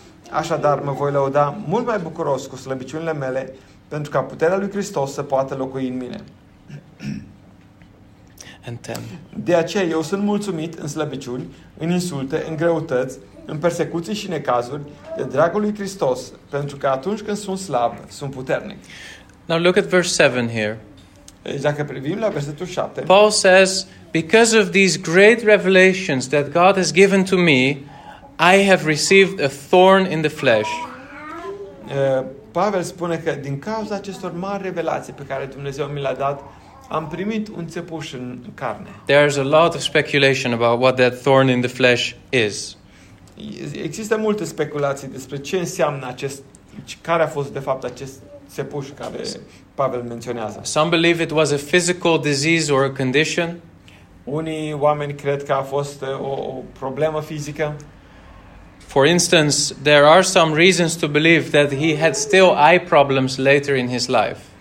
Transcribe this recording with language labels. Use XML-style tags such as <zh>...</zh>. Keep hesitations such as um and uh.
<ro>Așadar, mă voi lăuda mult mai bucuros cu slăbiciunile mele, pentru ca puterea lui Hristos să poată locui în mine. De aceea, eu sunt mulțumit în slăbiciuni, în insulte, în greutăți, în persecuții și necazuri, de dragul lui Hristos, pentru că atunci când sunt slab, sunt puternic.</ro> <en>Now look at verse 7 here.</en> <ro>Dacă privim la versetul 7,</ro> <en>Paul says, because of these great revelations that God has given to me, I have received a thorn in the flesh.</en> <ro>Uh, Pavel spune că din cauza acestor mari revelații pe care Dumnezeu mi le-a dat, am primit un țepuș în carne.</ro> <en>There is a lot of speculation about what that thorn in the flesh is.</en> <ro>Există multe speculații despre ce înseamnă acest care a fost de fapt acest țepuș care Pavel menționează.</ro> <en>Some believe it was a physical disease or a condition.</en> <ro>Unii oameni cred că a fost o, o problemă fizică.</ro> <en>For instance, there are some reasons to believe that he had still eye problems later in his life.</en>